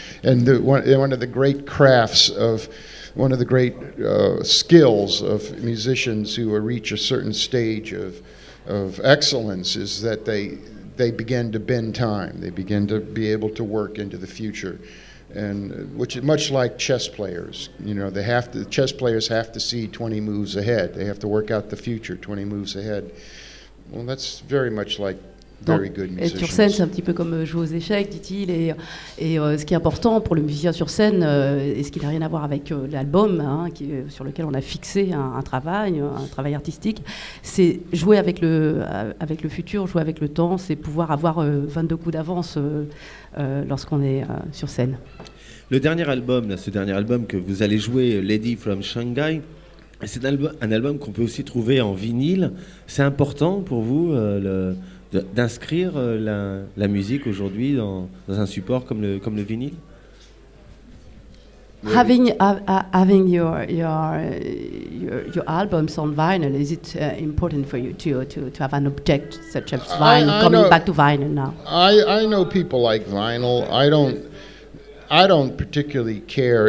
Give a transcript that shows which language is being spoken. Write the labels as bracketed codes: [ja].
[en] And one of the great skills of musicians who reach a certain stage of excellence is that they begin to bend time. They begin to be able to work into the future. And which is much like chess players, you know, chess players have to see 20 moves ahead. They have to work out the future 20 moves ahead. Well, that's very much like very good musicians. [fr] Être sur scène, c'est un petit peu comme jouer aux échecs, dit-il. Et ce qui est important pour le musicien sur scène, et ce qui n'a rien à voir avec l'album, hein, sur lequel on a fixé un travail artistique, c'est jouer avec le futur, jouer avec le temps, c'est pouvoir avoir 22 coups d'avance. Lorsqu'on est sur scène. Le dernier album, ce dernier album que vous allez jouer, Lady from Shanghai, c'est un album qu'on peut aussi trouver en vinyle. C'est important pour vous d'inscrire la musique aujourd'hui dans un support comme le vinyle? [en] Having your albums on vinyl, is it important for you to have an object such as vinyl? Back to vinyl now. I know people like vinyl. I don't particularly care.